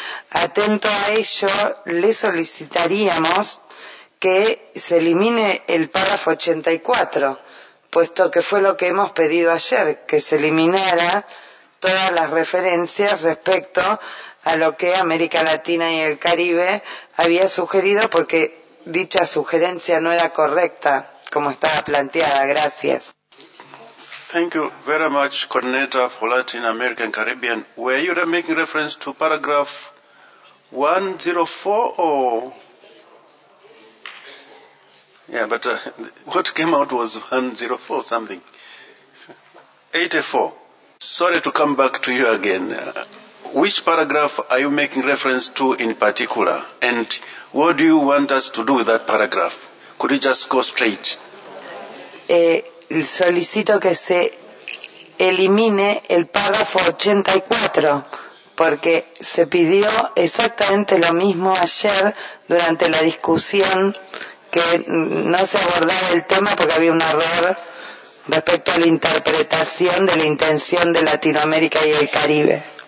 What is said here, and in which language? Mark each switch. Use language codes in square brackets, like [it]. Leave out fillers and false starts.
[es] Atento a ello, le solicitaríamos que se elimine el párrafo 84, puesto que fue lo que hemos pedido ayer, que se eliminara todas las referencias respecto a lo que América Latina y el Caribe había sugerido, porque dicha sugerencia no era correcta como estaba planteada. Gracias. [en] Thank you very much, coordinator for Latin American Caribbean. Were you making reference to paragraph 104 or? Yeah, but what came out was 104 something. 84. Sorry to come back to you again. Which paragraph are you making reference to in particular? And what do you want us to do with that paragraph? Could you just go straight? [es] Solicito que se elimine el párrafo 84, porque se pidió exactamente lo mismo ayer durante la discusión, que no se abordara el tema porque había un error respecto a la interpretación de la intención de Latinoamérica y el Caribe.